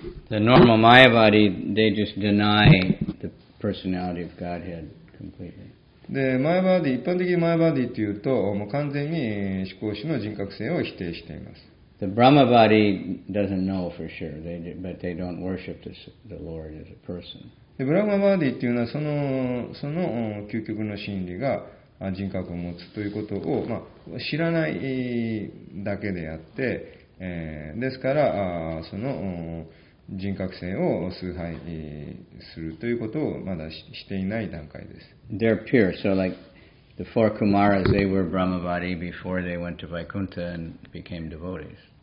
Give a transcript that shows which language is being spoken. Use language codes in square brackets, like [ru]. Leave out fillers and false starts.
[en] The normal Maya body, they just deny the personality of Godhead completely. [ja] で、マヤバーディ、一般的にマヤバーディというと、もう完全に思考主の人格性を否定しています。 [en] The Brahma body doesn't know for sure, but they don't worship the Lord as a person. [ja] で、ブラマバーディというのはその究極の真理が人格を持つということを、まあ、知らないだけであって、ですから、その人格性を崇拝するということをまだしていない段階です。 [en] They're pure. So like the four Kumaras, they were Brahmavadi before they went to Vaikuntha and became devotees.